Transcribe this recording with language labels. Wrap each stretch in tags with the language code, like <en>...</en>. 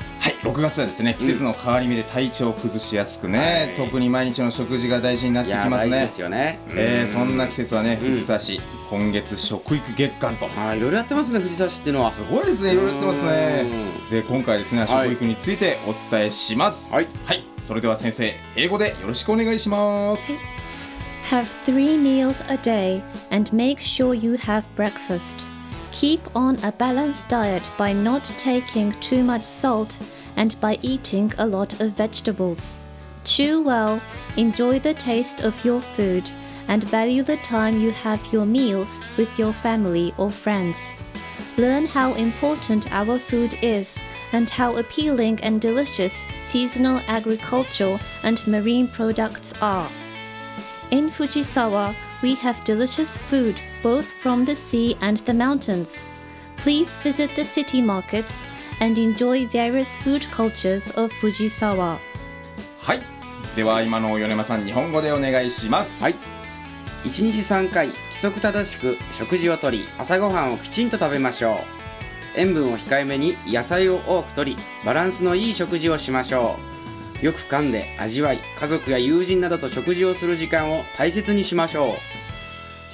<ja>はい、6月はですね、季節の変わり目で体調を崩しやすくね、うん、特に毎日の食事が大事になってきますね。いや、大事ですよね。そんな季節はね、藤沢市、うん、今月食育月間と、いろいろやってますね、藤沢市っていうのは。すごいですね、いろいろやってますね。で、今回ですね、食育についてお伝えします。はい、はい、それでは先生、英語でよろしくお願いします。</ja> <en>Have three meals a day and make sure you have breakfast. Keep on a balanced diet by not taking too much saltand by eating a lot of vegetables. Chew well, enjoy the taste of your food, and value the time you have your meals with your family or friends. Learn how important our food is, and how appealing and delicious seasonal agriculture and marine products are. In Fujisawa, we have delicious food both from the sea and the mountains. Please visit the city markets,and enjoy various food cultures of Fujisawa.</en> <ja>はい、では今の米山さん、日本語でお願いします。はい、1日3回規則正しく食事をとり、朝ごはんをきちんと食べましょう。塩分を控えめに野菜を多くとり、バランスのいい食事をしましょう。よく噛んで味わい、家族や友人などと食事をする時間を大切にしましょう。</ja>